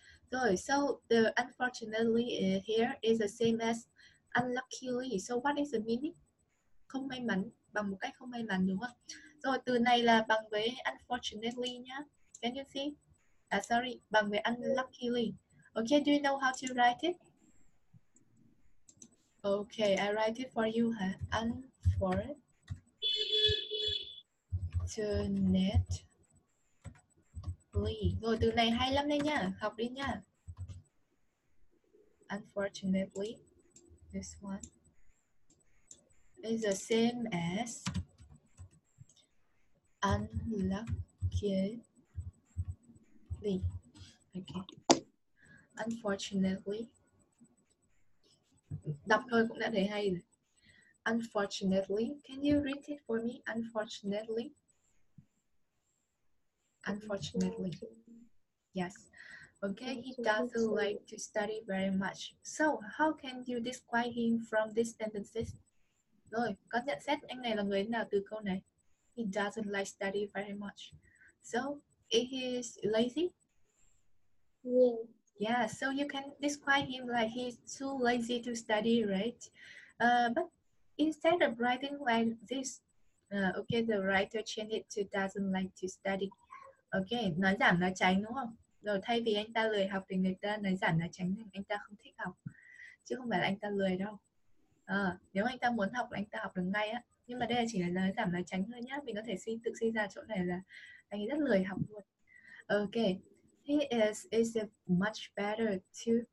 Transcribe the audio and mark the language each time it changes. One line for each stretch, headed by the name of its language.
English: Rồi, so the unfortunately here is the same as unluckily. So what is the meaning?
Vietnamese: Không may mắn, bằng một cách không may mắn, đúng không? Rồi, từ này là bằng với unfortunately nhá.
English: Can you see? Sorry,
Vietnamese: bằng với
English: unluckily. Okay, do you know how to write it? Okay, I write it for you, huh? Unfortunately. Unfortunately.
Vietnamese: Rồi từ này hay lắm đấy nha, học đi nha.
English: Unfortunately, this one is the same as unluckily. Okay. Unfortunately.
Vietnamese: Đọc thôi cũng đã thấy hay rồi.
English: Unfortunately, can you read it for me? Unfortunately. Unfortunately. Yes. Okay, he doesn't like to study very much. So, how can you describe him from these sentences?
Vietnamese: Rồi, có nhận xét anh này là người nào từ câu này?
English: He doesn't like study very much. So, is he lazy? Yeah. Yeah, so you can describe him like he's too lazy to study, right? But instead of writing like this, okay, the writer changed it to doesn't like to study.
Vietnamese: Okay, nói giảm nói tránh đúng không? Rồi thay vì anh ta lười học thì người ta nói giảm nói tránh rằng anh ta không thích học. Chứ không phải là anh ta lười đâu. Nếu anh ta muốn học anh ta học được ngay á. Nhưng mà đây là chỉ là nói giảm nói tránh thôi nhá. Mình có thể tự suy ra chỗ này là anh ấy rất lười học luôn.
English: Okay, he is a much better to